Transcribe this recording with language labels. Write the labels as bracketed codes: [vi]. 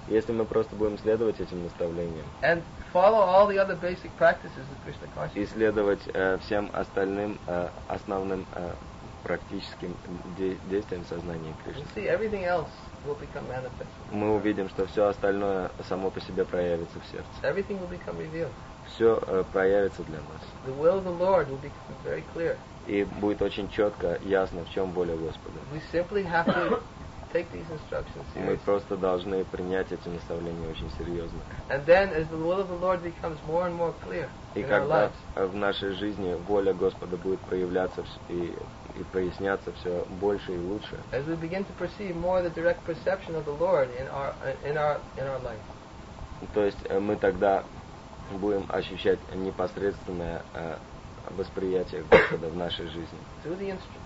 [ru] Если мы просто будем следовать этим наставлениям. [en] And follow all the other basic practices of Krishna consciousness. [ru] И следовать всем остальным основным практическим действиям сознания Кришны. [en] See, everything else will become manifest. [ru] Мы увидим, что все остальное само по себе проявится в сердце. [en] Everything will become revealed. [ru] Все проявится для нас. [en] The will of the Lord will become very clear. [ru] И будет очень четко, ясно, в чем воля Господа. [en] We simply have to take these instructions seriously. [ru] Мы просто должны принять эти наставления очень серьезно. [en] And then, as the will of the Lord becomes more and more clear in our lives, [ru] и когда в нашей жизни воля Господа будет проявляться и проясняться все больше и лучше, [en] as we begin to perceive more the direct perception of the Lord in our life. [ru] То есть мы тогда будем ощущать непосредственное восприятие Господа в нашей жизни.